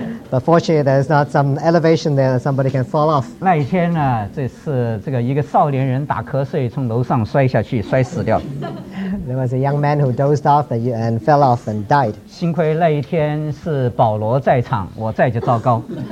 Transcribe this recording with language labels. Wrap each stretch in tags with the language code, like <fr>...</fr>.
<en>But fortunately, there's not some elevation there that somebody can fall off.</en> <zh>那一天呢，这是这个一个少年人打瞌睡从楼上摔下去，摔死掉。</zh> <en>There was a young man who dozed off and fell off and died.</en> <zh>幸亏那一天是保罗在场，我在就糟糕。</zh>